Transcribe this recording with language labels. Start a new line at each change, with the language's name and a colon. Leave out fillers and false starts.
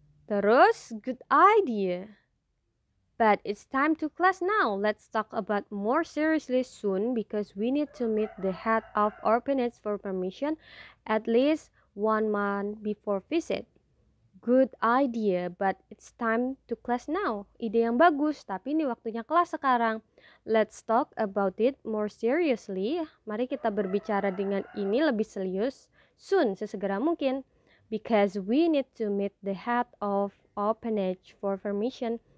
Indonesian: Terus,
English: good idea. But it's time to class now. Let's talk about more seriously soon because we need to meet the head of orphanage for permission at least 1 month before visit. Good idea, but it's time to class now.
Indonesian: Ide yang bagus, tapi ini waktunya kelas sekarang.
English: Let's talk about it more seriously.
Indonesian: Mari kita berbicara dengan ini lebih serius
English: soon,
Indonesian: sesegera mungkin.
English: Because we need to meet the head of orphanage for permission.